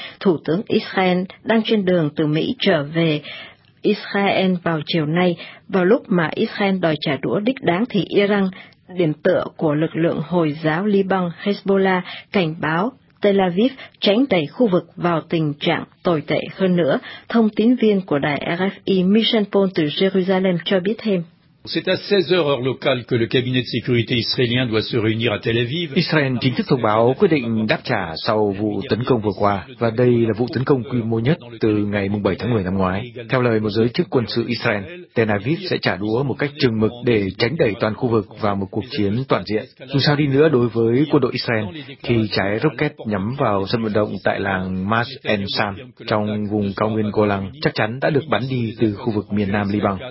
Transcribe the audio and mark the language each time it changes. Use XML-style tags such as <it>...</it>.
<vi>Thủ tướng Israel đang trên đường từ Mỹ trở về Israel vào chiều nay, vào lúc mà Israel đòi trả đũa đích đáng thì Iran, điểm tựa của lực lượng Hồi giáo Liban Hezbollah, cảnh báo Tel Aviv tránh đẩy khu vực vào tình trạng tồi tệ hơn nữa. Thông tín viên của đài RFI Michel Paul từ Jerusalem cho biết thêm.</vi> <fr>C'est à 16h heure locale que le cabinet de sécurité israélien doit se réunir à Tel Aviv.</fr> <vi>Israel chính thức thông báo quyết định đáp trả sau vụ tấn công vừa qua, và đây là vụ tấn công quy mô nhất từ ngày 7 tháng 10 năm ngoái. Theo lời một giới chức quân sự Israel, Tel Aviv sẽ trả đũa một cách chừng mực để tránh đẩy toàn khu vực vào một cuộc chiến toàn diện. Dù sao đi nữa, đối với quân đội Israel, thì trái rocket nhắm vào sân vận động tại làng Mas En Sam trong vùng cao nguyên Golan chắc chắn đã được bắn đi từ khu vực miền nam Liban.</vi>